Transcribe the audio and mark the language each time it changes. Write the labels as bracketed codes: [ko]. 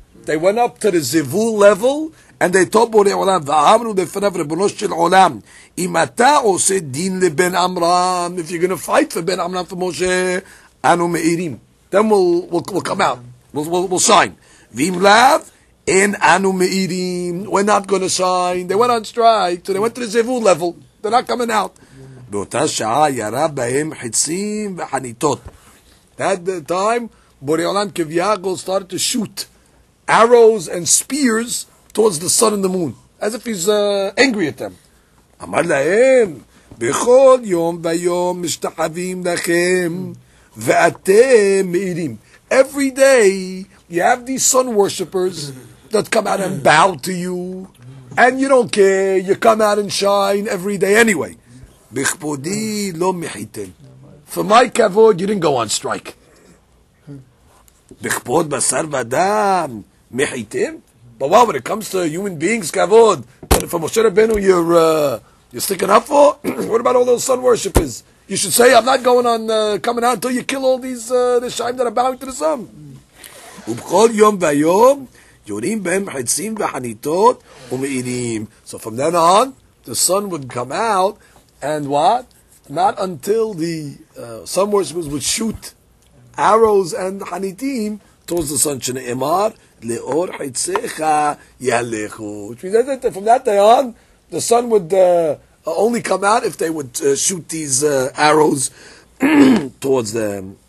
[en] They went up to the Zivul level and they told Borei Olam, [he] V'amru Lefanav Ribono Shel Olam, Im Ata Oseh Din LeBen Amram, [en] if you're going to fight for Ben Amram, for Moshe, [he] Anu Me'irim. [en] Then we'll come out. We'll sign. [he] V'im Lav, En Anu Me'irim. [en] We're not going to sign. They went on strike. So they went to the Zivul level. They're not coming out. [he] באותה שעה ירה בהם חיצים וחניתות. [en] At the time, Borei Olam Kevyagol started to shoot arrows and spears towards the sun and the moon, as if he's angry at them. [he] אמר להם, בכל יום ויום משתחווים לכם, ואתם מאירים. [en] Every day, you have these sun worshippers that come out and bow to you, and you don't care, you come out and shine every day anyway. [he] בכבודי לא מחיתם. [en] For my כבוד, you didn't go on strike. [he] בכבוד בשר ודם, מחיתם? [en] But wow, when it comes to human beings, כבוד, but for Moshe Rabbeinu, you're sticking up for? What about all those sun worshippers? You should say, I'm not going on, coming out until you kill all these, the shayim that are bowing to the sun. [he] ובכל יום ויום, יורים בהם חיצים וחניתות ומאירים. [en] So from then on, the sun would come out, and what? Not until the sun worshippers would shoot arrows and hanitim towards the sun. [he] Shne'emar le'or hitzecha yalechu. [en] Which means that from that day on, the sun would only come out if they would shoot these arrows towards them.